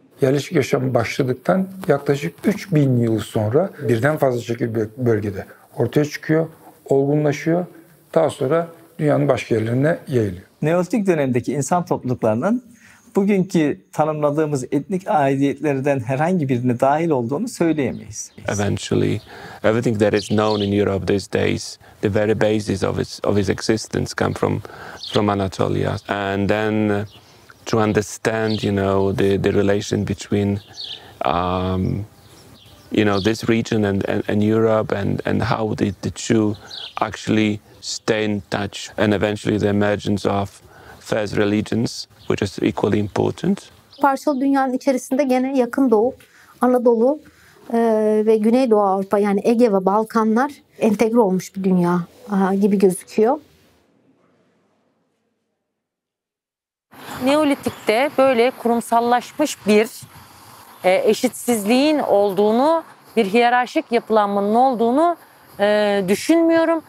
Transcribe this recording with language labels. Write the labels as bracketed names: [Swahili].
[Turkish] Yerleşik yaşam başladıktan yaklaşık 3000 yıl sonra birden fazla şekil bölgede ortaya çıkıyor, olgunlaşıyor, daha sonra dünyanın başka yerlerine yayılıyor. Neolitik dönemdeki insan topluluklarının bugünkü tanımladığımız etnik aidiyetlerden herhangi birine dahil olduğunu söyleyemeyiz. [English] Eventually, everything that is known in Europe these days, the very basis of its existence come from Anatolia. And then to understand, you know, the relation between, you know, this region and Europe and how did the two actually stay in touch, and eventually the emergence of first religions, which is equally important. [Turkish] Parçalı dünyanın içerisinde gene yakın doğu, Anadolu ve Güneydoğu Avrupa, yani Ege ve Balkanlar entegre olmuş bir dünya gibi gözüküyor. Neolitik'te böyle kurumsallaşmış bir eşitsizliğin olduğunu, bir hiyerarşik yapılanmanın olduğunu düşünmüyorum.